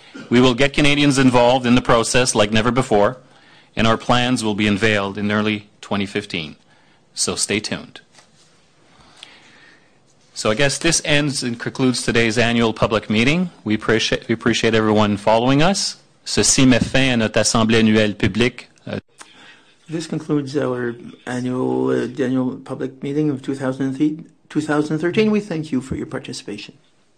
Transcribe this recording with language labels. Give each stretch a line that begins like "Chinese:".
English: We will get Canadians involved in the process like never before, and our plans will be unveiled in early 2015. So stay tuned. So I guess this ends and concludes today's annual public meeting. We appreciate everyone following us.
French: Ceci met fin à notre assemblée annuelle publique.
English: This concludes our annual public meeting of 2013. We thank you for your participation.